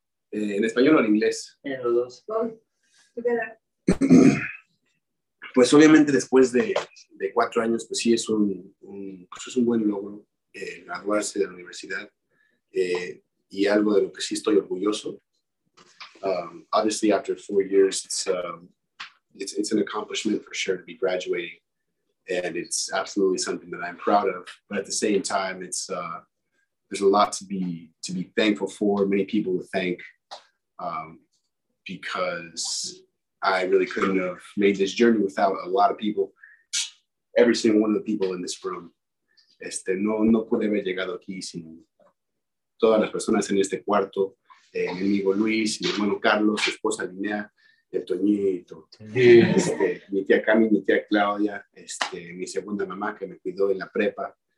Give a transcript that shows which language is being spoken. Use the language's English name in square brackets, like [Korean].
[Spanish] ¿En español o en inglés? En los dos. Pues obviamente después de 4 años, pues sí es un buen logro graduarse de la universidad, y algo de lo que sí estoy orgulloso. [English] Obviously after 4 years, it's an accomplishment for sure to be graduating, and it's absolutely something that I'm proud of. But at the same time, it's there's a lot to be thankful for, many people to thank, because I really couldn't have made this journey without a lot of people. Every single one of the people in this room, [Spanish] no puede haber llegado aquí sin todas las personas en este cuarto, mi amigo Luis, mi hermano Carlos, su esposa Linnea, el Toñito, mi tía Cami, mi tía Claudia, mi segunda mamá que me cuidó en la prepa,